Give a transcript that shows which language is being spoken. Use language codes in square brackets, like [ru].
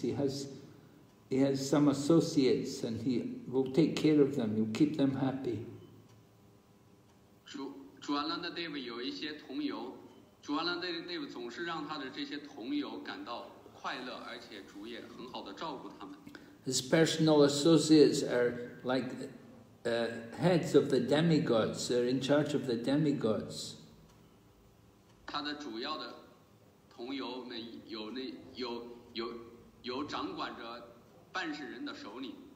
[en] He has some associates, and he will take care of them. He'll keep them happy. [zh] 主阿兰德戴维有一些同游，主阿兰德戴维总是让他的这些同游感到快乐，而且主也很好的照顾他们。 [en] His personal associates are like heads of the demigods. They're in charge of the demigods. [zh] 他的主要的同游们有掌管着半世人的首领。